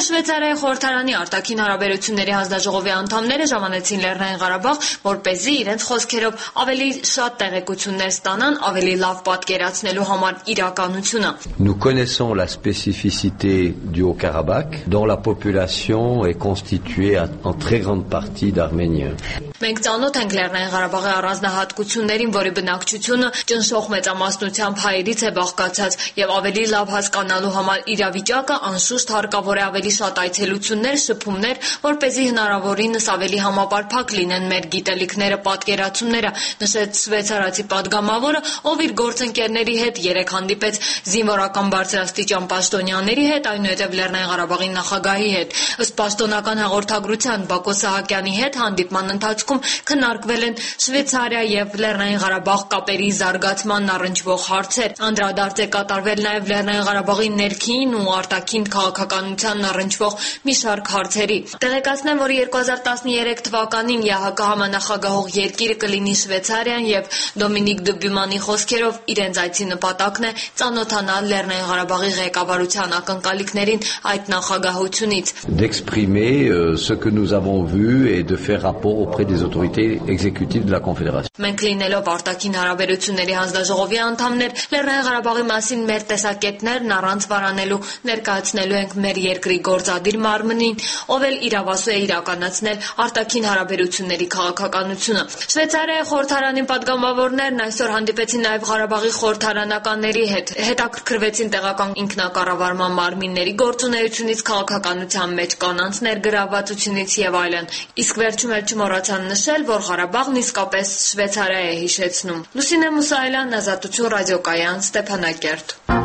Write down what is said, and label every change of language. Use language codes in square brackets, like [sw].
[hy] որ շվեյցարիայի խորհրդարանի արտաքին հարաբերությունների հանձնաժողովի անդամները ժամանեցին Լեռնային Ղարաբաղ, որպեսզի իրենց խոսքը քերով ավելի շատ տեղեկություններ ստանան ավելի լավ պատկերացնելու համար իրականությունը։ [fr] Nous connaissons la spécificité du Haut-Karabakh dont la population est constituée en très grande partie d'Arméniens. [hy] Մենք ճանոթ ենք Լեռնային Ղարաբաղի առանձնահատկություններին, որի բնակչությունը ճնշող մեծամասնությամբ հայերից է բաղկացած, եւ ավելի լավ հասկանալու համար իրավիճակը անշուշտ հարկավոր է ավելի շատ այցելություններ, շփումներ, որպեսզի հնարավորինս ավելի համապարփակ լինեն մեր գիտելիքները, պատկերացումները, նշեց շվեյցարացի պատգամավորը, ով իր գործընկերների հետ երեք հանդիպեց զինվորական բարձրաստիճան պաշտոնյաների հետ, այնուհետև Լեռնային Ղարաբաղի նախագահի հետ։ Ըստ պաշտոնական հաղորդագրության Բակո Սահակյանի հետ հանդիպման ընթացքում քննարկվել են Շվեյցարիա և Լեռնային Ղարաբաղ կապերի զարգացման առնչվող հարցեր։ Անդրադարձ է կատարվել նաև Լեռնային Ղարաբաղի ներքին ու արտաքին քաղաքականության առնչվող մի շարք հարցերի։ Տեղեկացնեմ, որ 2013 թվականին ԵԱՀԿ համանախագահող երկիրը կլինի Շվեյցարիան, և Դոմինիկ Դբյումանի խոսքերով իրենց այցի նպատակն է ծանոթանալ Լեռնային Ղարաբաղի ղեկավարության ակնկալիքներին այդ նախագահությունից։ [fr] D'exprimer ce que nous avons vu et de faire rapport auprès des les autorités exécutives de la Confédération. [hy] Մենք լինելով արտաքին հարաբերությունների հանձնաժողովի անդամներ, Լեռնային Ղարաբաղի մասին մեր տեսակետներն առանց վարանելու ներկայացնելու ենք մեր երկրի գործադիր մարմնին, ով էլ իրավասու է իրականացնել արտաքին հարաբերությունների քաղաքականությունը։ Շվեցարիայի խորհրդարանի պատգամավորներն այսօր հանդիպեցին նաև Ղարաբաղի խորհրդարանականների հետ, հետաքրքրվեցին տեղական ինքնակառավարման մարմինների գործունեությունից, քաղաքականության մեջ կանանց ներգրավվածությունից եւ այլն։ Իսկ վերջում էլ չմոռացան նշել, որ Ղարաբաղն իսկապես Շվեցարիա է հիշեցնում։ Լուսինե Մուսայելյան, Ազատություն ռադիոկայան, Ստեփանակերտ։